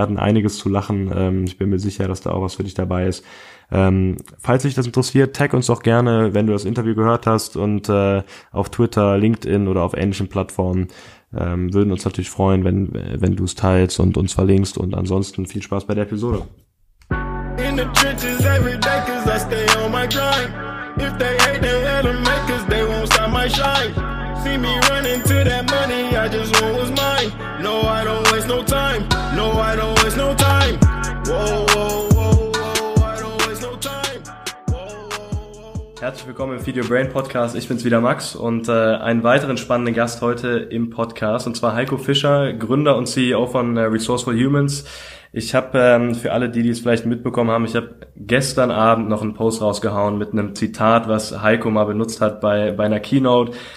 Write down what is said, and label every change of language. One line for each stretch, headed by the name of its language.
German: Wir hatten einiges zu lachen. Ich bin mir sicher, dass da auch was für dich dabei ist. Falls dich das interessiert, tag uns doch gerne, wenn du das Interview gehört hast und auf Twitter, LinkedIn oder auf ähnlichen Plattformen. Würden uns natürlich freuen, wenn du es teilst und uns verlinkst. Und ansonsten viel Spaß bei der Episode.
English: In the trenches every day, cause I stay on my grind. If they hate, they had to make, cause they won't stop my shine. See me running to that money, I just want what's mine. No, I don't waste no time. No, I don't waste no time. Whoa, whoa, whoa, whoa, I don't waste no time. Whoa, whoa, whoa.
German: Herzlich willkommen im Video Brain Podcast. Ich bin's wieder, Max. Und einen weiteren spannenden Gast heute im Podcast. Und zwar Heiko Fischer, Gründer und CEO von Resourceful Humans. Ich habe für alle, die es vielleicht mitbekommen haben, ich habe gestern Abend noch einen Post rausgehauen mit einem Zitat, was Heiko mal benutzt hat bei einer Keynote,